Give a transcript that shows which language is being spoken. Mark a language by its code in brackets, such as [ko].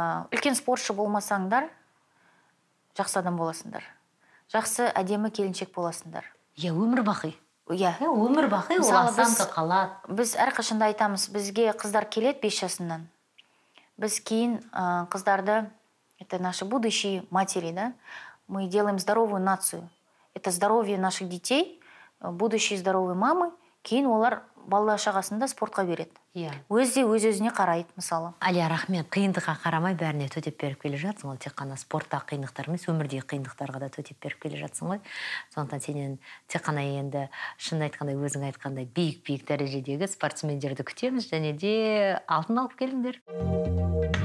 [kk] Үлкен спортшы болмасаңдар, жақсы адам боласыңдар. Жақсы әдемі келіншек боласыңдар. Е, өмір бақи. Е, өмір бақи, оласан да қалады. Біз әрқашанда айтамыз, бізге қыздар келеді 5 жасынан. Біз кейін қыздарды, [ru] это наши будущие матери, да? Мы делаем здоровую нацию. Это здоровье наших детей, будущие здоровые мамы. [kk] Кейін олар балла шағасында спортқа береді. Өзде өз-өзіне қарайды, мысалы. Алия, рахмет, қиындыққа қарамай бәріне төтеп беріп келе жатсың. Ол тек қана спортта қиындықтармыз, өмірде қиындықтарға да төтеп беріп келе жатсың. Сондықтан сенен тек қана енді шын айтқандай, өзің айтқандай биік-биік дәрежедегі спортсмендерді күтеміз және де алтын алып келіңдер.